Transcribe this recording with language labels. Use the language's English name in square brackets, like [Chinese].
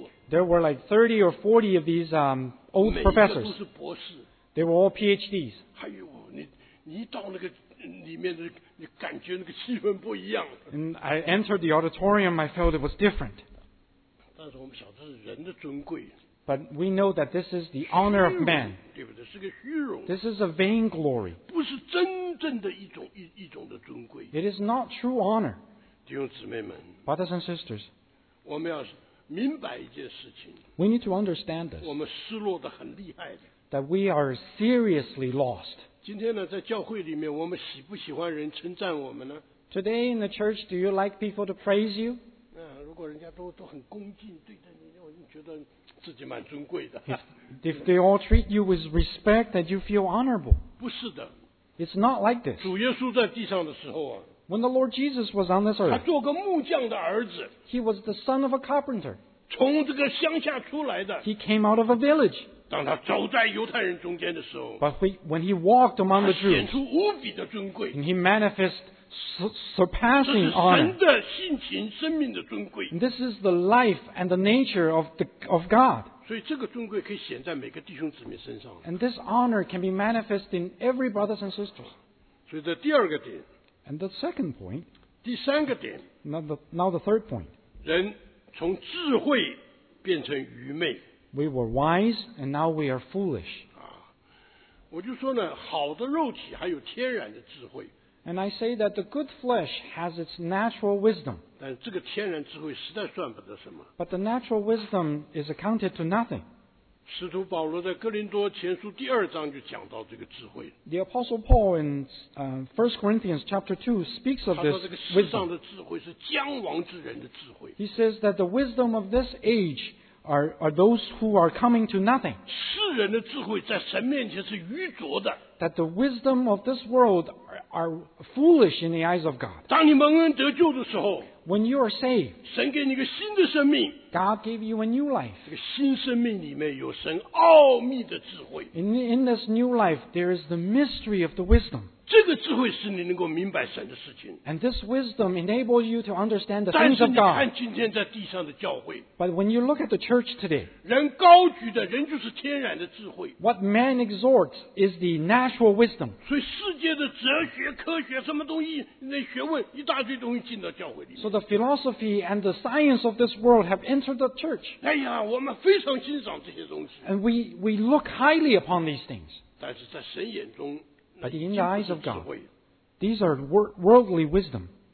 [English] there were like 30 or 40 of these old professors. They were all PhDs. [Chinese] 哎呦, 你到那个里面的, [English] and I entered the auditorium, I felt it was different. [Chinese] 但是我们晓得是人的尊贵。 [English] But we know that this is the honor of man. [Chinese] 对不对？是个虚荣。 [English] This is a vain glory. [Chinese] 不是真正的一种的尊贵。 [English] It is not true honor. [Chinese] 弟兄姊妹们。 [English] Brothers and sisters. [Chinese] 我们要明白一件事情。 [English] We need to understand this. [Chinese] 我们失落得很厉害的。 [English] That we are seriously lost. [Chinese] 今天呢，在教会里面，我们喜不喜欢人称赞我们呢？ [English] Today in the church, do you like people to praise you? If they all treat you with respect, that you feel honorable. [Chinese] 不是的。 [English] It's not like this. [Chinese] 主耶稣在地上的时候啊, [English] When the Lord Jesus was on this earth, [Chinese] 他做个木匠的儿子, [English] he was the son of a carpenter. [Chinese] 从这个乡下出来的, [English] he came out of a village. [Chinese] 当他走在犹太人中间的时候, [English] But when he walked among the Jews, [Chinese] 他显出无比的尊贵, [English] and he manifest surpassing honor. [Chinese] 这是神的性情, 生命的尊贵, [English] and this is the life and the nature of God. [Chinese] 所以这个尊贵可以显在每个弟兄姊妹身上, [English] and this honor can be manifest in every brothers and sisters. [Chinese] 所以这第二个点, [English] and the second point, [Chinese] 第三个点, [English] now the third point, [Chinese] 人从智慧变成愚昧。 [English] We were wise, and now we are foolish. [Chinese] 我就说呢，好的肉体还有天然的智慧。 [English] And I say that the good flesh has its natural wisdom. [Chinese] 但这个天然智慧实在算不得什么。 [English] But the natural wisdom is accounted to nothing. [Chinese] 使徒保罗在哥林多前书第二章就讲到这个智慧。 [English] The Apostle Paul in 1 Corinthians chapter 2 speaks of this wisdom. [Chinese] 他说这个世上的智慧是将亡之人的智慧。 [English] He says that the wisdom of this age are those who are coming to nothing. [Chinese] 世人的智慧在神面前是愚拙的。 [English] That the wisdom of this world are foolish in the eyes of God. [Chinese] 当你蒙恩得救的时候， [English] When you are saved, [Chinese] 神给你一个新的生命， [English] God gave you a new life. [Chinese] 这个新生命里面有神奥秘的智慧。 [English] In this new life, there is the mystery of the wisdom. [Chinese] 这个智慧使你能够明白神的事情。 [English] And this wisdom enables you to understand the things of God. [Chinese] 但是你看今天在地上的教会， [English] But when you look at the church today, [Chinese] 人高举的人就是天然的智慧。 [English] What man exhorts is the natural wisdom. [Chinese] 所以世界的哲学、科学什么东西，那学问一大堆东西进到教会里。 [English] So the philosophy and the science of this world have entered the church. [Chinese] 哎呀，我们非常欣赏这些东西。 [English] And we look highly upon these things. [Chinese] 但是在神眼中。 [English] But in the eyes of God, these are worldly wisdom.